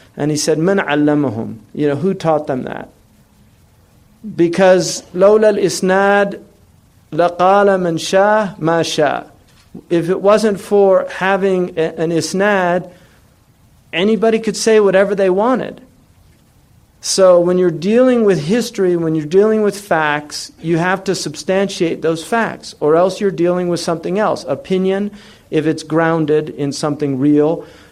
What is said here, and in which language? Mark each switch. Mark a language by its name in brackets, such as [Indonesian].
[English] And he said, [Arabic] مَنْ عَلَّمَهُمْ. [English] You know, who taught them that? Because [Arabic] لَوْلَا الْإِسْنَادِ لَقَالَ مَنْ شَاءَ مَا شَاءَ. [English] If it wasn't for having an isnad, anybody could say whatever they wanted. So when you're dealing with history, when you're dealing with facts, you have to substantiate those facts, or else you're dealing with something else. Opinion, if it's grounded in something real.